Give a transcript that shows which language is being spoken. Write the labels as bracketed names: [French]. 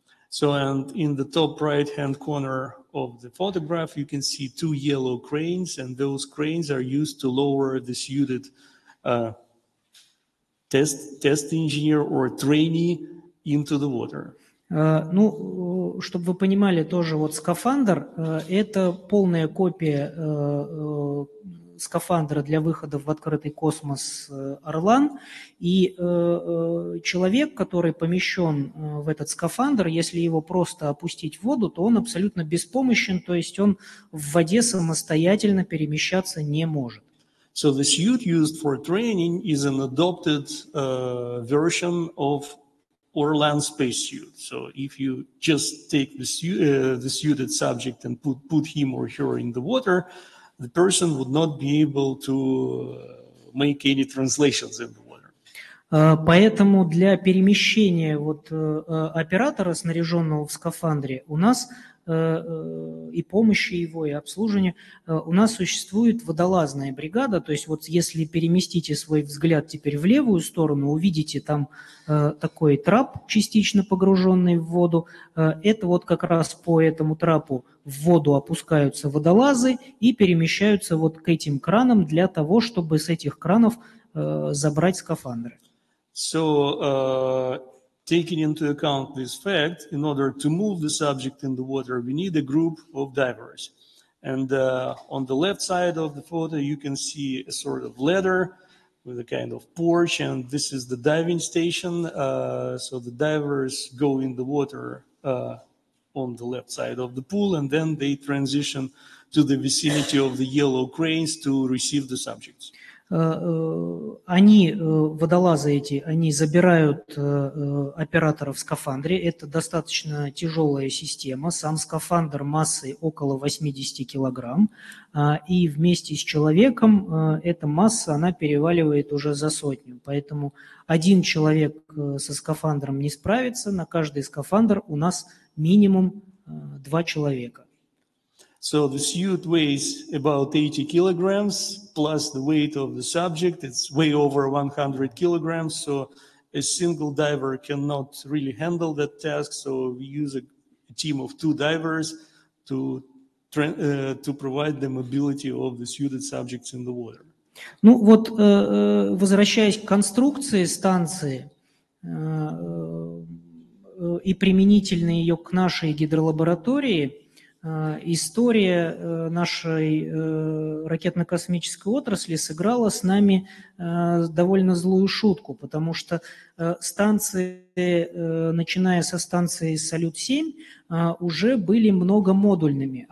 [English] So, and in the top right-hand corner of the photograph, you can see two yellow cranes, and those cranes are used to lower the suited test engineer or trainee into the water. [Russian] Ну, чтобы вы понимали тоже, вот скафандр – это полная копия скафандра для выхода в открытый космос «Орлан». И человек, который помещен в этот скафандр, если его просто опустить в воду, то он абсолютно беспомощен, то есть он в воде самостоятельно перемещаться не может. [English] So the suit used for training is an adopted version of Orlan space suit. So if you just take the suited subject and put him or her in the water, the person would not be able to make any translations in the water. [Russian] Поэтому для перемещения вот оператора, снаряженного в скафандре, у нас и помощи его, и обслуживания, у нас существует водолазная бригада. То есть вот если переместите свой взгляд теперь в левую сторону, увидите там такой трап, частично погруженный в воду. Это вот как раз по этому трапу в воду опускаются водолазы и перемещаются вот к этим кранам для того, чтобы с этих кранов забрать скафандры. [English] So, taking into account this fact, in order to move the subject in the water, we need a group of divers. And on the left side of the photo, you can see a sort of ladder with a kind of porch, and this is the diving station. So the divers go in the water on the left side of the pool, and then they transition to the vicinity of the yellow cranes to receive the subjects. [Russian] Они, водолазы эти, они забирают оператора в скафандре. Это достаточно тяжелая система. Сам скафандр массой около 80 килограмм. И вместе с человеком эта масса, она переваливает уже за сотню. Поэтому один человек со скафандром не справится. На каждый скафандр у нас минимум два человека. [English] So the suit weighs about 80 kilograms plus the weight of the subject. It's way over 100 kilograms. So a single diver cannot really handle that task. So we use a team of two divers to provide the mobility of the suited subjects in the water. [Russian] Ну вот, возвращаясь к конструкции станции и применительно ее к нашей гидролаборатории, история нашей ракетно-космической отрасли сыграла с нами довольно злую шутку, потому что станции, начиная со станции «Салют-7», уже были многомодульными.